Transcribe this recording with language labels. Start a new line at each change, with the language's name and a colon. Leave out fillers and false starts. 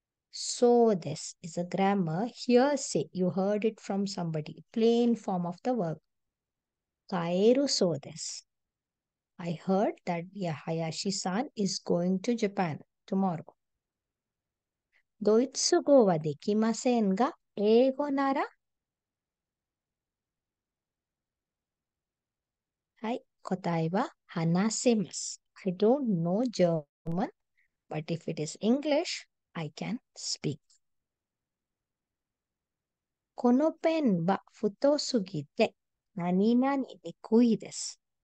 English: So this is a grammar hearsay. You heard it from somebody. Plain form of the verb.
Japanese: 変えるそうです。
English: I heard that Yahayashi-san is going to Japan tomorrow.
Japanese: ドイツ語はできませんが、英語なら？はい、答えは話せます。
English: I don't know German, but if it is English, I can speak.
Japanese: このペンは太すぎて何々にくいです。